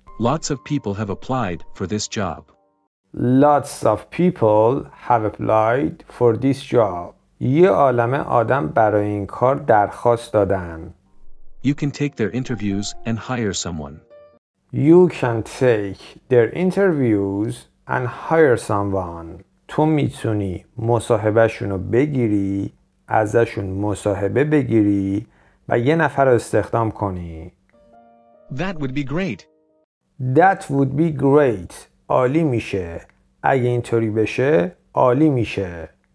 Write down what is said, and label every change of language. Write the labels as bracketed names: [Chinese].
[English] Lots of people have applied for this job. Lots of people have applied for this job. [Persian] یه عالمه آدم برای این کار درخواست دادن. [English] You can take their interviews and hire someone. You can take their interviews and hire someone. [Persian] تو میتونی مصاحبهشون رو بگیری، ازشون مصاحبه بگیری و یه نفر رو استخدام کنی. [English] That would be great. That would be great. [Persian] عالی میشه. اگه اینطوری بشه، عالی میشه.